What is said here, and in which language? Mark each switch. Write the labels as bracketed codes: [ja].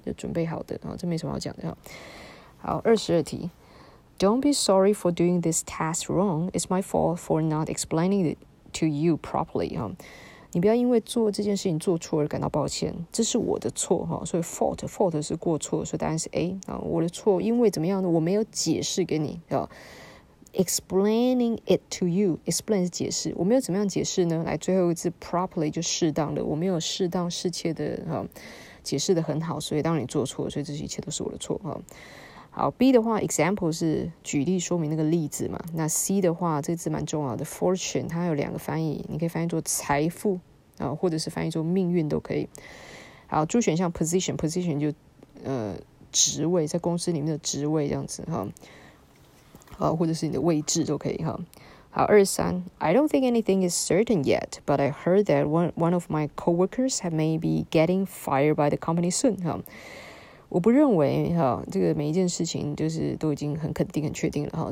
[zh] 就准备好的这没什么好讲的。好 ,22 题。 [en] Don't be sorry for doing this task wrong. It's my fault for not explaining it to you properly. [zh] 你不要因为做这件事情做错而感到抱歉。这是我的错。所以 fault 是过错所以答案是 A。我的错因为怎么样呢我没有解释给你。 [en] Explaining it to you, [zh] explain 是解释，我没有怎么样解释呢？来，最后一次 properly 就适当的，我没有适当适切的、哦、解释的很好，所以当你做错，所以这一切都是我的错、哦、好 ，B 的话 ，example 是举例说明那个例子嘛。那 C 的话，这个字蛮重要的 ，fortune 它有两个翻译，你可以翻译做财富、哦、或者是翻译做命运都可以。好，主选项 position 就职位，在公司里面的职位这样子、哦或者是你的位置都可以哈。好，23。 [en] I don't think anything is certain yet, but I heard that one of my coworkers may be getting fired by the company soon. [zh] 哈，我不认为哈，这个每一件事情就是都已经很肯定、很确定了哈。